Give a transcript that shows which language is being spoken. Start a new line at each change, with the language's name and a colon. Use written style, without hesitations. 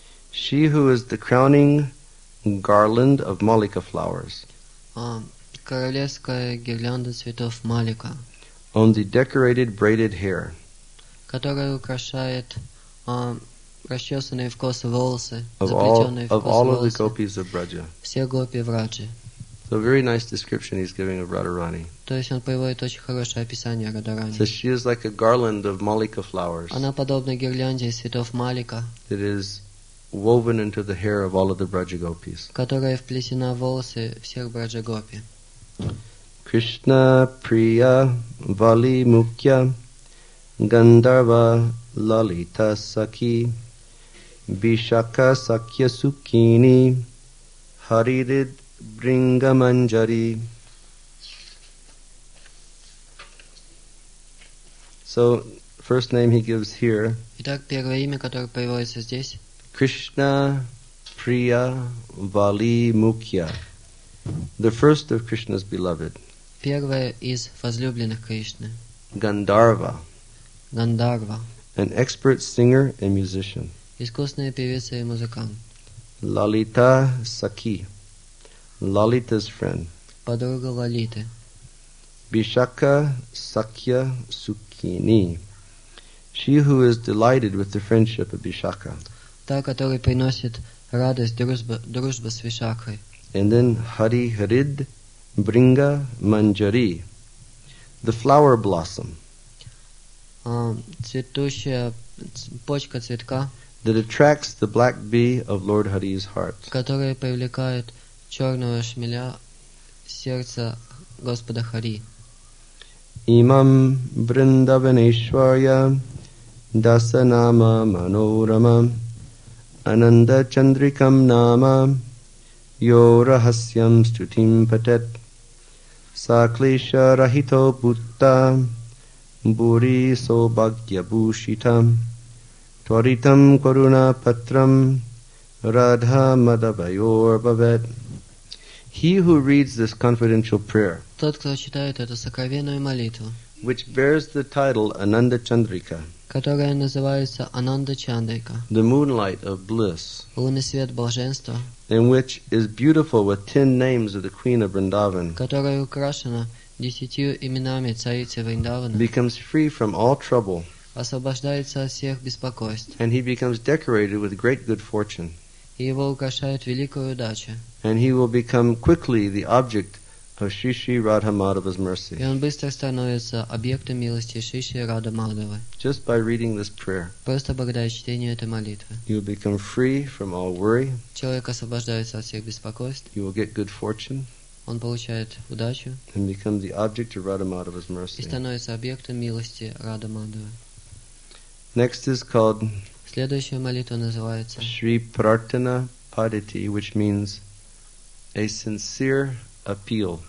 English: She who is the crowning garland of Malika flowers.
Russian: Королевская гирлянда цветов Малика.
English: On the decorated braided hair.
Russian: Которая украшает расчесанные в косы волосы, заплетенные в косы волосы.
English: So very nice description he's giving of Radharani.
Russian: То есть он приводит очень хорошее описание Радарани.
English: So she is like a garland of Malika flowers.
Russian: Она подобна гирлянде из цветов Малика.
English: That is woven into the hair of all of the Brajagopis.
Russian: Которая вплетена в волосы всех Браджагопи.
Sanskrit: Krishna Priya Vali Mukya Gandharva Lalita Sakhi Vishakha Sakya Sukini Haridid Bringa Manjari.
English: So, first name he gives here.
Russian: Итак, первое имя, которое приводится здесь.
Sanskrit: Krishna Priya Vali Mukya.
English: The first of Krishna's beloved.
Russian: Первая из возлюбленных Кришны.
Sanskrit: Gandharva. Gandharva.
English: An expert singer and musician.
Russian: Искусная певица и музыкант.
English: Lalita Sakhi. Lalita's friend.
Russian: Подруга Лалиты.
Sanskrit: Vishakha Sakya Sukini.
English: She who is delighted with the friendship of Vishakha.
Russian: Та, которая приносит радость, дружба с Вишакхой.
English: And then Hari Harid Bringa Manjari. The flower blossom.
Russian: Цветущая почка цветка.
English: That attracts the black bee of Lord Hari's heart.
Russian: Которая привлекает черного шмеля сердца Господа Хари.
Sanskrit: Имам Бриндавенешвая Дасанама Манорама Ананда Чандрикам Нама Йо Рахасьям Стутим Патет Саклеша Рахито Бутта Бури Собагья Бушита Творитам Коруна Патрам Радха Мадабайор Бавет.
English: He who reads this confidential prayer,
Russian: тот, кто читает эту сокровенную молитву,
English: which bears the title Ananda Chandrika,
Russian: которая называется Ананда Чандрика,
English: the moonlight of bliss,
Russian: лунный свет блаженства,
English: and which is beautiful with 10 names of the queen of Vrindavan,
Russian: которая украшена 10 именами царицы Вриндавана,
English: becomes free from all trouble,
Russian: освобождается от всех беспокойств,
English: and he becomes decorated with great good fortune.
Russian: Его украшает великая удача.
English: And he will become quickly the object of Shri Shri Radha Madhava's mercy.
Russian: И он быстро становится объектом милости Шри Шри Радха Мадхавы.
English: Just by reading this prayer.
Russian: Просто благодаря чтению этой молитвы.
English: You will become free from all worry.
Russian: Человек освобождается от всех беспокойств.
English: You will get good fortune.
Russian: Он получает удачу.
English: And become the object of Radha Madhava's mercy.
Russian: И становится объектом милости Радха Мадхавы.
English: Next is called.
Russian: Следующая молитва называется
English: Shri Prarthana Padati, which means a sincere appeal.